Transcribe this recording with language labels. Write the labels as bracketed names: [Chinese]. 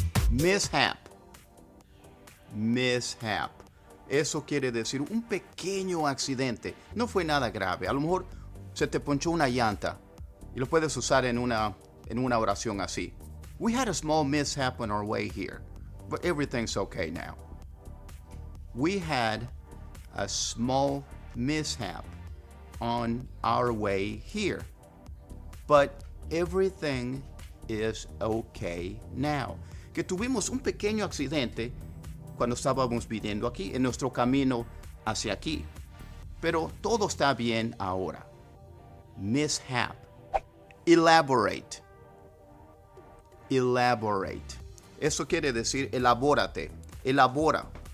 [English] Mishap. Mishap. [Spanish] Eso quiere decir un pequeño accidente. No fue nada grave. A lo mejor se te ponchó una llanta. Y lo puedes usar en una oración así. [English] We had a small mishap on our way here, but everything's okay now. We had a small mishap on our way here, but everything is okay now. [Spanish] Que tuvimos un pequeño accidente cuando estábamos viniendo aquí, en nuestro camino hacia aquí. Pero todo está bien ahora. Mishap. Elaborate. Elaborate. Eso quiere decir elabórate. Elabora.